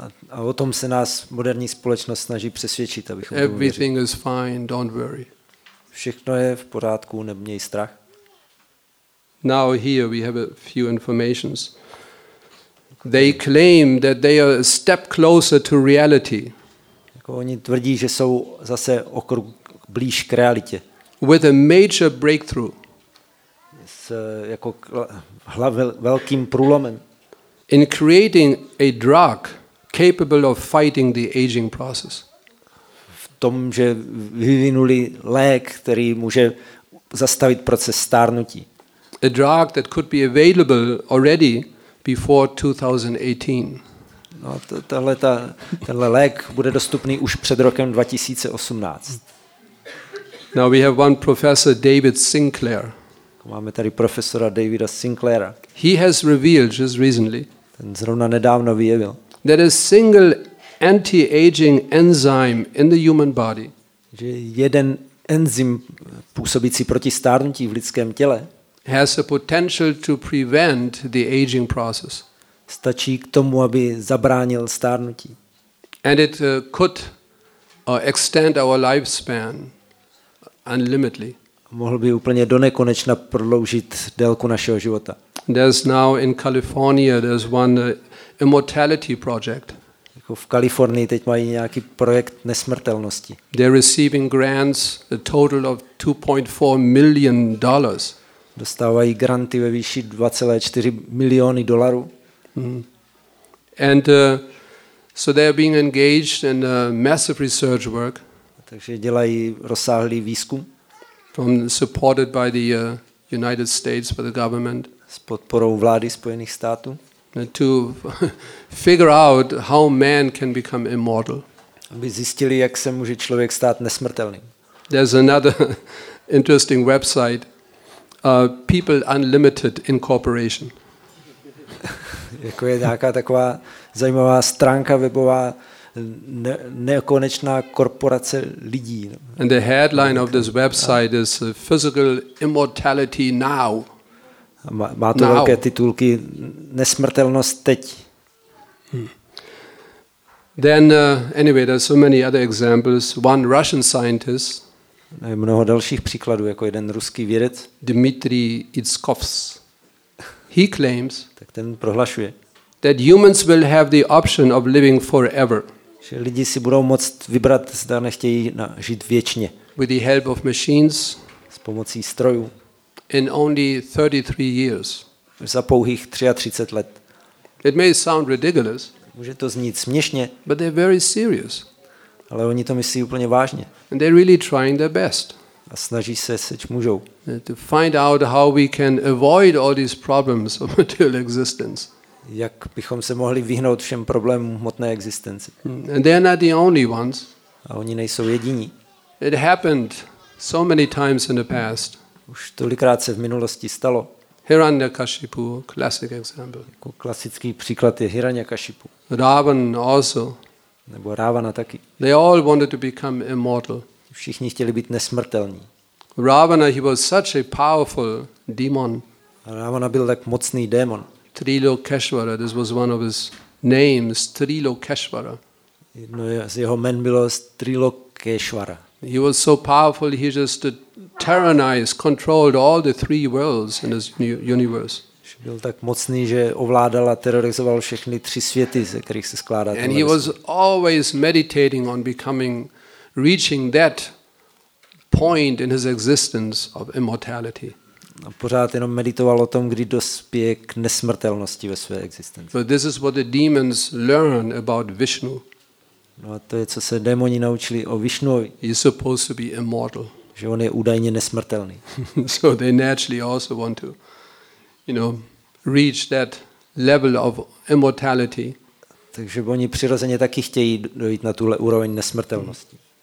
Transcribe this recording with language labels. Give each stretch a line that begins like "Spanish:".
Czech: A o tom se nás moderní společnost snaží přesvědčit, abychom uvěřili.
English: Everything is fine, don't worry.
Czech: Všechno je v pořádku, neměj strach.
English: Now here we have a few informations. They claim that they are a step closer to reality.
Czech: Jako oni tvrdí, že jsou zase o krok blíž k realitě.
English: With a major breakthrough.
Czech: S jako velkým průlomem.
English: In creating a drug capable of fighting the aging process.
Czech: V tom, že vyvinuli lék, který může zastavit proces stárnutí.
English: A drug that could be available already before 2018.
Czech: No, tenhle lék bude dostupný už před rokem 2018.
English: Now we have one professor, David Sinclair.
Czech: Máme tady profesora Davida Sinclaira.
English: He has revealed just recently.
Czech: Ten zrovna nedávno vyjevil.
English: That a single anti-aging enzyme in the human body.
Czech: Že jeden enzym působící proti stárnutí v lidském těle.
English: Has the potential to prevent the aging process.
Czech: Stačí k tomu, aby zabránil stárnutí.
English: And it could extend our lifespan unlimitedly.
Czech: Mohl by úplně do nekonečna prodloužit délku našeho života.
English: There's now in California there's one immortality project.
Czech: Jako v Kalifornii teď mají nějaký projekt nesmrtelnosti.
English: They're receiving grants a total of $2.4 million.
Czech: Dostávají granty ve výši 2,4 miliony dolarů.
English: And so they are being engaged in a massive research work.
Czech: Takže dělají rozsáhlý výzkum.
English: From supported by the United States by the government.
Czech: S podporou vlády Spojených států.
English: To figure out how man can become immortal.
Czech: Aby zjistili, jak se může člověk stát nesmrtelným.
English: There's another interesting website. People Unlimited Incorporation.
Czech: jako je nějaká taková zajímavá stránka webová, nekonečná korporace lidí.
English: And the headline of this website is Physical Immortality Now.
Czech: Má to velké titulky, nesmrtelnost teď.
English: Then anyway, there's so many other examples. One Russian scientist.
Czech: Mnoho dalších příkladů, jako jeden ruský vědec.
English: Dmitry Itzkovs. He claims.
Czech: Tak ten prohlašuje.
English: That humans will have the option of living forever.
Czech: Že lidi si budou moct vybrat, zda nechtějí žít věčně.
English: With the help of machines.
Czech: S pomocí strojů.
English: In only 33 years.
Czech: Za pouhých 33 let.
English: It may sound ridiculous.
Czech: Může to znít směšně.
English: But they're very serious.
Czech: Ale oni to myslí úplně vážně.
English: And they're really trying their best.
Czech: A snaží se, seč můžou.
English: To find out how we can avoid all these problems of material existence.
Czech: Jak bychom se mohli vyhnout všem problémům hmotné existence.
English: And they're not the only ones.
Czech: A oni nejsou jediní.
English: It happened so many times in the past.
Czech: Už tolikrát se v minulosti stalo.
English: Hiranyakashipu, classic example.
Czech: Jako klasický příklad je Hiranyakashipu.
English: Ravana also.
Czech: Nebo Ravana taky.
English: They all wanted to become immortal.
Czech: Všichni chtěli být nesmrtelní.
English: Ravana, he was such a powerful demon.
Czech: Ravana byl tak mocný démon.
English: Trilokeshvara, this was one of his names, Trilokeshvara.
Czech: Jedno z jeho jmen bylo Trilokeshvara.
English: He was so powerful he just tyrannized, controlled all the three worlds in his universe.
Czech: Byl tak mocný, že ovládal a terorizoval všechny tři světy, ze kterých se skládá.
English: And he was always meditating on becoming, reaching that point in his existence of immortality.
Czech: A pořád jenom meditoval o tom, kdy dospěje k nesmrtelnosti ve své existenci.
English: But this is what the demons learn about Vishnu.
Czech: No a to je, co se démoni naučili o Vishnuovi.
English: He's supposed to be immortal.
Czech: Že on je údajně nesmrtelný.
English: So they naturally also want to, you know, reach that level of immortality.
Czech: Takže oni přirozeně taky chtějí dojít na tuhle úroveň nesmrtelnosti.